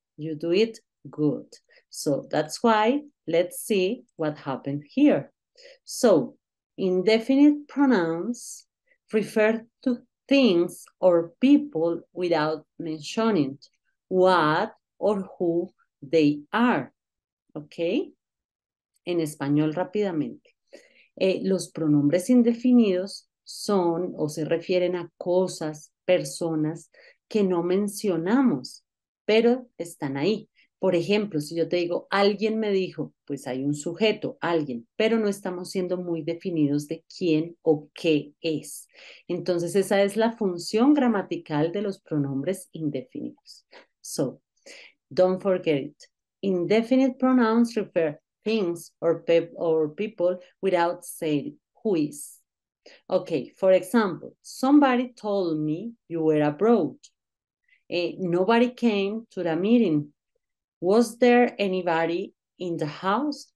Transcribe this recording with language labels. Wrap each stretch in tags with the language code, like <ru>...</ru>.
<en>You do it good. So that's why let's see what happened here. So indefinite pronouns refer to things or people without mentioning what or who they are, okay?</en> <es>En español rápidamente. Los pronombres indefinidos son o se refieren a cosas, personas que no mencionamos, pero están ahí. Por ejemplo, si yo te digo, alguien me dijo, pues hay un sujeto, alguien, pero no estamos siendo muy definidos de quién o qué es. Entonces, esa es la función gramatical de los pronombres indefinidos.</es> <en>So, don't forget it. Indefinite pronouns refer things or people without saying who is. Okay, for example, somebody told me you were abroad. Nobody came to the meeting. Was there anybody in the house?</en>